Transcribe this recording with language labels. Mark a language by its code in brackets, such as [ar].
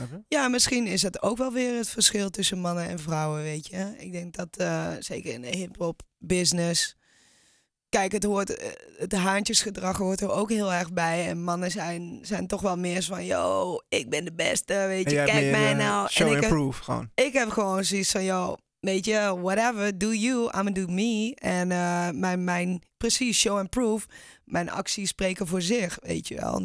[nl] Ja, misschien is dat ook wel weer het verschil tussen mannen en vrouwen, weet je. Ik denk dat zeker in de hip-hop business... Kijk, het haantjesgedrag hoort er ook heel erg bij. En mannen zijn toch wel meer van, yo, ik ben de beste, weet je. Kijk mij nou. [en] Show [nl] en [en] prove [nl] gewoon. Ik heb gewoon zoiets van, yo... Weet je, [en] whatever, do you, I'm gonna do me. [nl] En mijn precies, [en] show and prove. [nl] Mijn acties spreken voor zich, weet je wel.